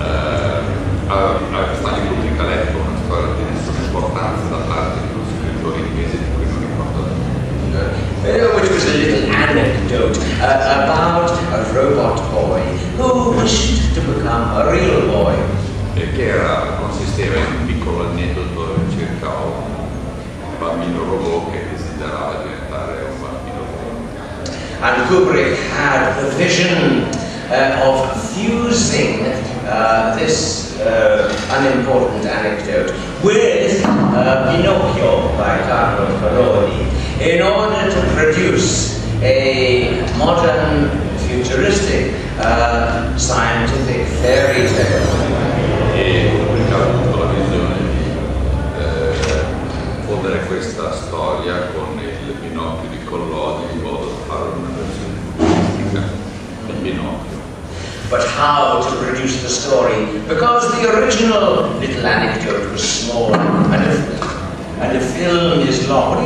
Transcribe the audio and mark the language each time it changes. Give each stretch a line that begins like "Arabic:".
Italian: Stanley Kubrick ha letto una storia di nessuna importanza da parte di uno scrittore inglese di cui non ricordo niente.
English: Which was a little anecdote about a robot boy who wished to become a real boy.
Italian: E che era, consisteva in un piccolo aneddoto circa un bambino robot che desiderava diventare un bambino robot.
English: And Kubrick had the vision of fusing this unimportant anecdote with Pinocchio by Carlo Collodi in order to produce a modern, futuristic, scientific fairy tale.
Italian: E Kubrick ha avuto la visione di fondere questa storia con il Pinocchio di Collodi in modo da fare una versione futuristica del Pinocchio.
English: But how to produce the story? Because the original little anecdote was small, and the film is long.